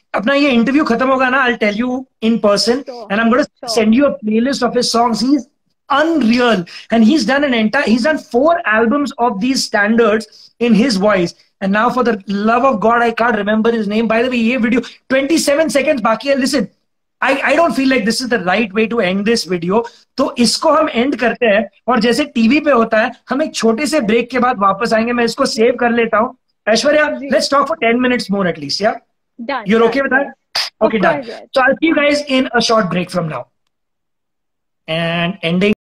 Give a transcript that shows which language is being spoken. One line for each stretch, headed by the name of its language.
Hindi: Apna ye interview khatam hoga na,
English: I'll tell you in person. Sure. And I'm gonna send you a playlist of his songs. He's unreal. And he's done 4 albums of these standards in his voice. And now, for the love of God, I can't remember his name. By the way,
Hindi: ye video 27 seconds baki hai.
English: Listen, I don't feel like this is the right way to end this video.
Hindi: तो इसको हम and करते हैं और जैसे TV पे होता है हम एक छोटे से ब्रेक के बाद वापस आएंगे. मैं इसको सेव कर लेता हूँ.
English: Aishwarya, let's talk for 10 minutes more at least. Yeah, done. You're okay with that? Okay, done. So I'll see you guys in a short break from now. And ending.